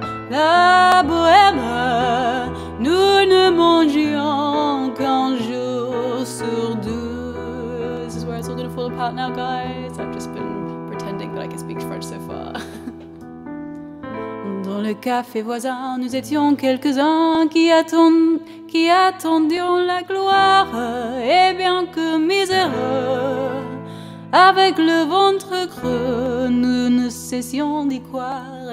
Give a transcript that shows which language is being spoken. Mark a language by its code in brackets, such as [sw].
[fr] La bohème, nous ne mangeons qu'un jour sur deux. [en] This is where it's all gonna fall apart now, guys. I've just been pretending that I can speak French so far. [fr] Dans le café voisin, nous étions quelques-uns qui attendions la gloire. Et bien que miséreux, avec le ventre creux, nous ne cessions d'y croire.